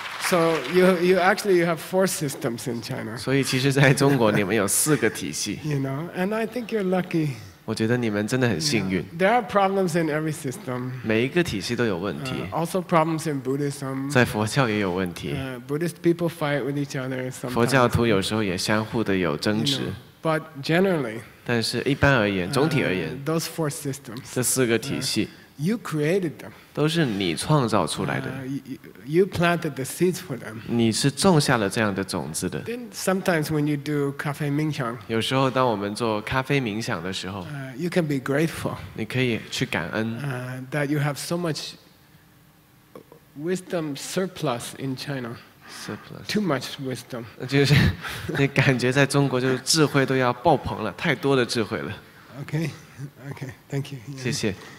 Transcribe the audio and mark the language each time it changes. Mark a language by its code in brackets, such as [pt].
[en] So you actually you have four systems in China. [zh] 所以其实在中国你们有四个体系。 [en] You know, and I think you're lucky. [zh] 我觉得你们真的很幸运。 [en] There are problems in every system. [zh] 每一个体系都有问题。 [en] Also problems in Buddhism. [zh] 在佛教也有问题。 [en] Buddhist people fight with each other sometimes. [zh] 佛教徒有时候也相互的有争执。 [en] But generally. [zh] 但是一般而言，总体而言。 [en] Those four systems. [zh] 这四个体系。 [en] You created them. [zh] 都是你创造出来的。 [en] You planted the seeds for them. [zh] 你是种下了这样的种子的。 [en] Then sometimes when you do cafe 冥想， [zh] 有时候当我们做咖啡冥想的时候， [en] you can be grateful. [zh] 你可以去感恩。 [en] That you have so much wisdom surplus in China. Surplus. Too much wisdom. [zh] 就是你感觉在中国就是智慧都要爆棚了，太多的智慧了。 [en] Okay. Okay. Thank you. [zh] 谢谢。